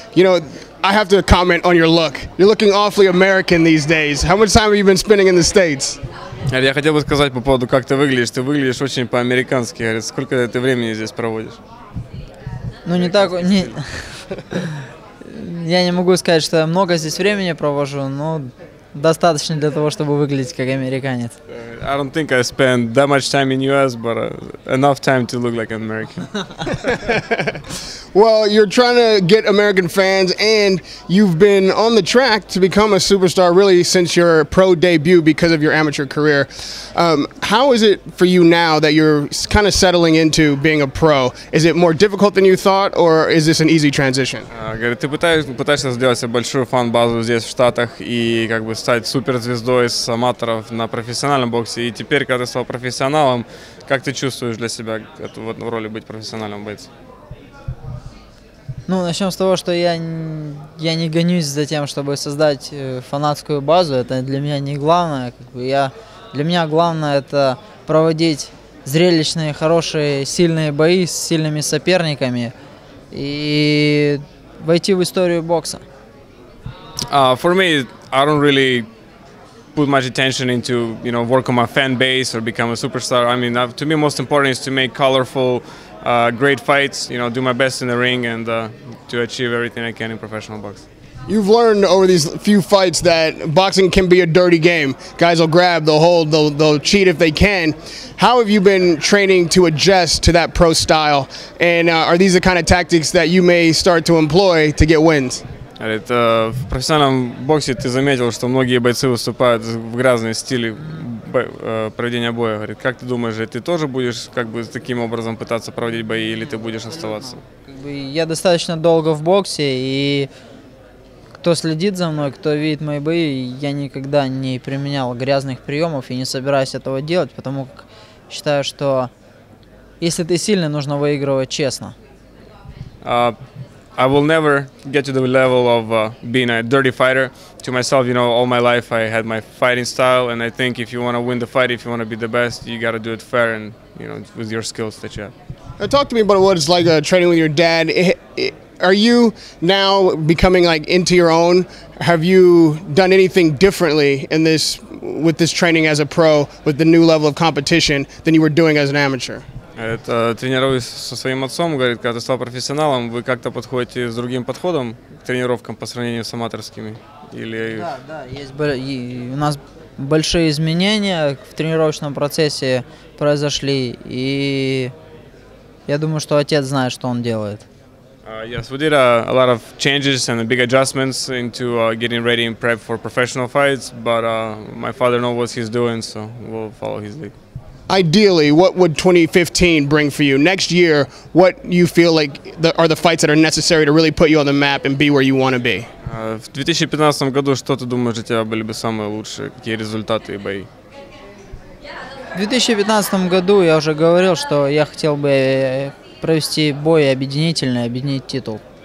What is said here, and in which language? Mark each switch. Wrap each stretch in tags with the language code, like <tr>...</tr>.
<en>You know, I have to comment on your look. You're looking awfully American these days. How much time have you been spending in the States?</en> <ru>Я хотел бы сказать по поводу, как ты выглядишь. Ты выглядишь очень по-американски. Сколько ты времени здесь проводишь? Ну, не так... Я не могу сказать, что я много здесь времени провожу, но достаточно для того, чтобы выглядеть как американец.</ru> <en>I don't think I spend that much time in US, but enough time to look like an American. Well, you're trying to get American fans, and you've been on the track to become a superstar really since your pro debut because of your amateur career. How is it for you now that you're kind of settling into being a pro? Is it more difficult than you thought, or is this an easy transition?</en> <ru>Говорит, ты пытаешься сделать себе большую фан-базу здесь, в Штатах, и как бы стать суперзвездой с аматоров на профессиональном боксе. И теперь, когда ты стал профессионалом, как ты чувствуешь для себя эту вот роль быть профессиональным бойцом? Ну, начнем с того, что я не гонюсь за тем, чтобы создать фанатскую базу. Это для меня не главное. Для меня главное это проводить зрелищные, хорошие, сильные бои с сильными соперниками и войти в историю бокса.</ru> <en>For me, I don't really put much attention into, you know, work on my fan base or become a superstar. I mean, to me, most important is to make colorful, great fights. You know, do my best in the ring and to achieve everything I can in professional boxing. You've learned over these few fights that boxing can be a dirty game. Guys will grab, they'll hold, they'll cheat if they can. How have you been training to adjust to that pro style? And are these the kind of tactics that you may start to employ to get wins?</en> <ru>В профессиональном боксе ты заметил, что многие бойцы выступают в грязном стиле проведения боя. Говорит, как ты думаешь, ты тоже будешь как бы таким образом пытаться проводить бои или ты будешь оставаться? Я достаточно долго в боксе, и кто следит за мной, кто видит мои бои, я никогда не применял грязных приемов и не собираюсь этого делать, потому как считаю, что если ты сильный, нужно выигрывать честно.</ru> <en>I will never get to the level of being a dirty fighter. To myself, you know, all my life I had my fighting style, and I think if you want to win the fight, if you want to be the best, you got to do it fair and, you know, with your skills that you have. Now talk to me about what it's like training with your dad. Are you now becoming like into your own? Have you done anything differently in this, with this training as a pro, with the new level of competition than you were doing as an amateur?</en> <ru>Это тренируюсь со своим отцом, говорит, когда стал профессионалом, вы как-то подходите с другим подходом к тренировкам по сравнению с аматорскими? Или... Да, да, у нас большие изменения в тренировочном процессе произошли, и я думаю, что отец знает, что он делает.</ru> <en>Yes, we did a lot of changes and big adjustments into getting ready and prep for professional fights, but my father knows what he's doing, so we'll follow his lead. Ideally, what would 2015 bring for you? Next year, what you feel like are the fights that are necessary to really put you on the map and be where you want to be?</en> <ru>В 2015 году что ты думаешь, у тебя были бы самые лучшие какие результаты и бои? В 2015 году я уже говорил, что я хотел бы провести бой объединительный, объединить титул.</ru>